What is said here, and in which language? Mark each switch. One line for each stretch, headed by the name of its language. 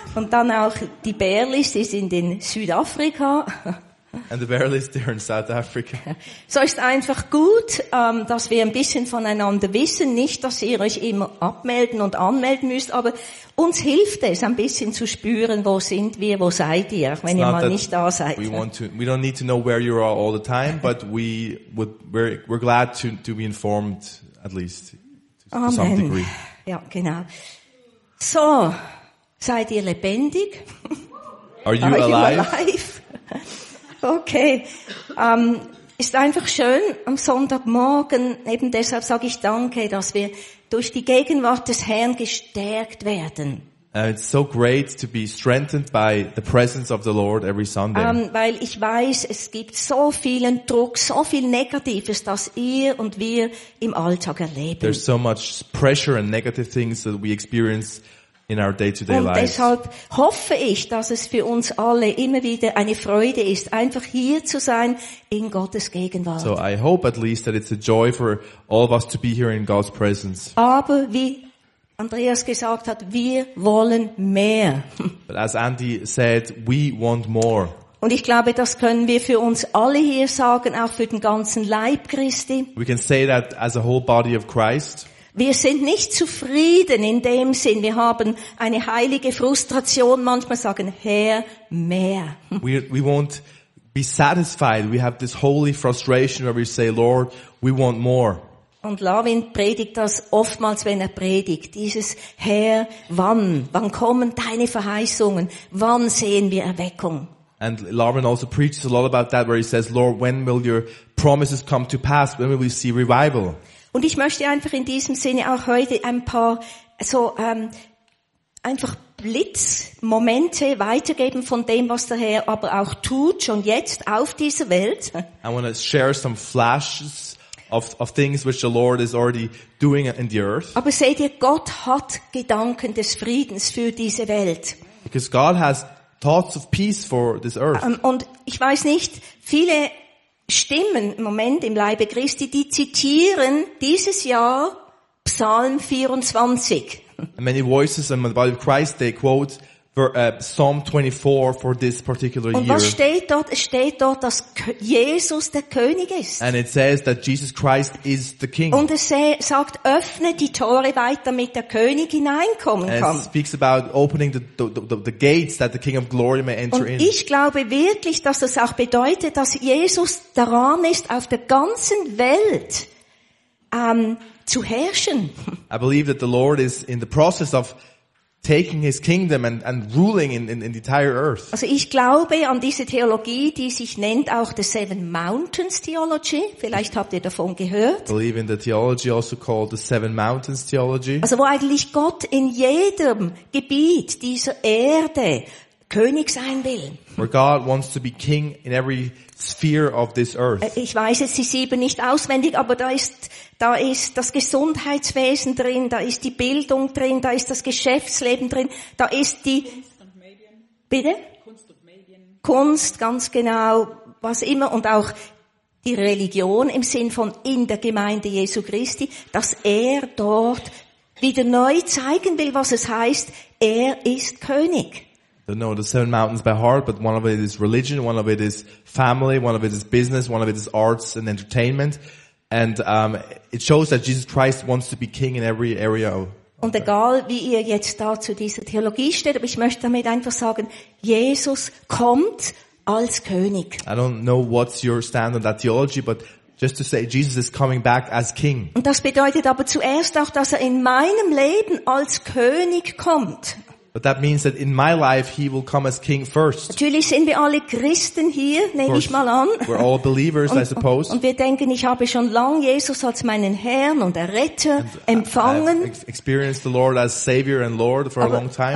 German: Und dann auch die Bärlis, die sind in Südafrika.
English: And the Bärlis, they're in South Africa.
German: So ist einfach gut, dass wir ein bisschen voneinander wissen. Nicht, dass ihr euch immer abmelden und anmelden müsst, aber uns hilft es, ein bisschen zu spüren, wo sind wir, wo seid ihr, wenn ihr mal nicht da seid.
English: We don't need to know where you are all the time, but we're glad to be informed, at least, to some degree.
German: Ja, genau. So, seid ihr lebendig?
English: Are you alive?
German: Okay, ist einfach schön am Sonntagmorgen, eben deshalb sage ich danke, dass wir durch die Gegenwart des Herrn gestärkt werden.
English: It's so great to be strengthened by the presence of the Lord every Sunday.
German: Weil ich weiß, es gibt so vielen Druck, so viel Negatives, das ihr und wir im Alltag erleben.
English: There's so much pressure and negative things that we experience in our day-to-day lives.
German: Und deshalb hoffe ich, dass es für uns alle immer wieder eine Freude ist, einfach hier zu sein in Gottes Gegenwart.
English: So I hope at least that it's a joy for all of us to be here in God's presence.
German: Aber wie Andreas gesagt hat, wir wollen mehr.
English: But as Andy said, we want more.
German: Und ich glaube, das können wir für uns alle hier sagen, auch für den ganzen Leib Christi.
English: We can say that as a whole body of Christ.
German: Wir sind nicht zufrieden in dem Sinn. Wir haben eine heilige Frustration. Manchmal sagen, Herr, mehr.
English: We won't be satisfied. We have this holy frustration where we say, Lord, we want more.
German: Und Larwin predigt das oftmals, wenn er predigt. Dieses Herr, wann? Wann kommen deine Verheißungen? Wann sehen wir Erweckung?
English: And Larwin also preaches a lot about that, where he says, Lord, when will your promises come to pass? When will we see revival?
German: Und ich möchte einfach in diesem Sinne auch heute ein paar so einfach Blitzmomente weitergeben von dem, was der Herr aber auch tut, schon jetzt auf dieser Welt.
English: I want to share some flashes of things which the Lord is already doing in the earth.
German: Aber seht ihr, Gott hat Gedanken des Friedens für diese Welt.
English: Because God has thoughts of peace for this earth.
German: Und ich weiß nicht, viele Stimmen im Moment im Leibe Christi, die zitieren dieses Jahr Psalm 24.
English: And many voices in the body of Christ, they quote Psalm 24 for this particular year.
German: Und was steht dort? Es steht dort, dass Jesus der König ist.
English: And it says that Jesus Christ is the King.
German: Und es sagt, öffne die Tore weit, damit der König hineinkommen kann.
English: And it speaks about opening the gates that the King of Glory may enter
German: Und
English: in.
German: Und ich glaube wirklich, dass das auch bedeutet, dass Jesus daran ist, auf der ganzen Welt zu herrschen.
English: I believe that the Lord is in the process of taking his kingdom and ruling in the entire earth.
German: Also ich glaube an diese Theologie, die sich nennt auch the Seven Mountains Theology. Vielleicht habt ihr davon gehört.
English: I believe in the theology also called the Seven Mountains Theology.
German: Also wo eigentlich Gott in jedem Gebiet dieser Erde König sein will.
English: Where God wants to be king in every sphere of this earth.
German: Ich weiß jetzt die sieben nicht auswendig, aber da ist das Gesundheitswesen drin, da ist die Bildung drin, da ist das Geschäftsleben drin, da ist die Kunst, ganz genau, was immer, und auch die Religion im Sinn von in der Gemeinde Jesu Christi, dass er dort wieder neu zeigen will, was es heißt, er ist König.
English: don't know the seven mountains by heart, but one of it is religion, one of it is family, one of it is business, one of it is arts and entertainment. And it shows that Jesus Christ wants to be king in every area.
German: Und egal, wie ihr jetzt da zu dieser Theologie steht, aber ich möchte damit einfach sagen, Jesus kommt als König.
English: I don't know what's your stand on that theology, but just to say Jesus is coming back as king.
German: Und das bedeutet aber zuerst auch, dass in meinem Leben als König kommt.
English: But that means that in my life he will come as king first.
German: Natürlich sind wir alle Christen hier, nehme ich mal an.
English: We're all believers, I suppose.
German: Und wir denken, ich habe schon lange Jesus als meinen Herrn und Erretter empfangen.
English: I've experienced the Lord as Savior and Lord for a long time.